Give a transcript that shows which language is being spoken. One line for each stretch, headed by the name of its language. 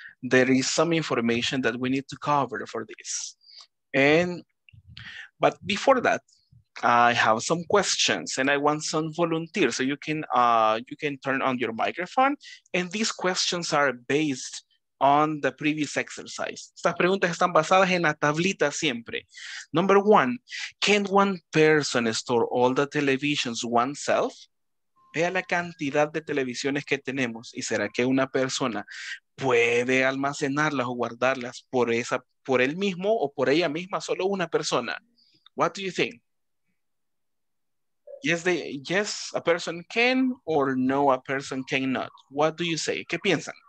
English: There is some information that we need to cover for this. But before that, I have some questions and I want some volunteers. So you can turn on your microphone. And these questions are based on the previous exercise.
Spanish: Estas preguntas están basadas en la tablita siempre.
English: Number one, can one person store all the televisions oneself?
Spanish: Vea la cantidad de televisiones que tenemos y será que una persona puede almacenarlas o guardarlas por él mismo o por ella misma, solo una persona.
English: What do you think? Yes, a person can or no, a person cannot. What do you say?
Spanish: ¿Qué piensan?